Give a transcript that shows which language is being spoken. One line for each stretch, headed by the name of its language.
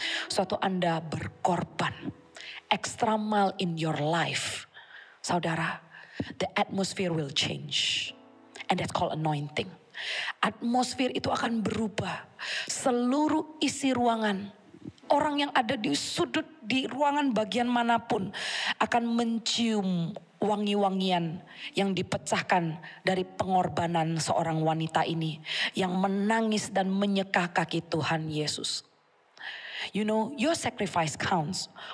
Indonesian: Suatu Anda berkorban,
English: extra mile in your life. Saudara, the atmosphere will change. And that's called anointing.
Indonesian: Atmosfer itu akan berubah. Seluruh isi ruangan, orang yang ada di sudut di ruangan bagian manapun akan mencium wangi-wangian yang dipecahkan dari pengorbanan seorang wanita ini yang menangis dan menyeka kaki Tuhan Yesus.
English: You know, your sacrifice counts.